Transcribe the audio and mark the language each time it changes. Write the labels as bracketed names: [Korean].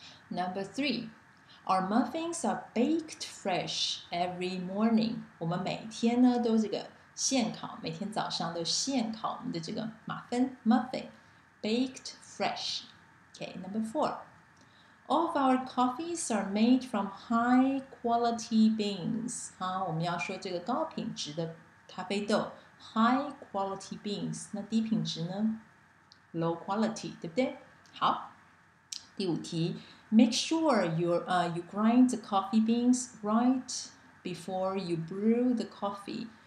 [English] Number three, our muffins are baked fresh every morning. [Chinese] 我们每天呢都这个现烤，每天早上都现烤我们的这个马芬 ,muffin。 [English] Baked fresh. Okay, number four. All of our coffees are made from high quality beans. [Chinese] 好，我们要说这个高品质的咖啡豆 [English] high quality beans. [Chinese] 那低品质呢 [English] low quality, [Chinese] 对不对？好，第五题 [English] Make sure you grind the coffee beans right before you brew the coffee.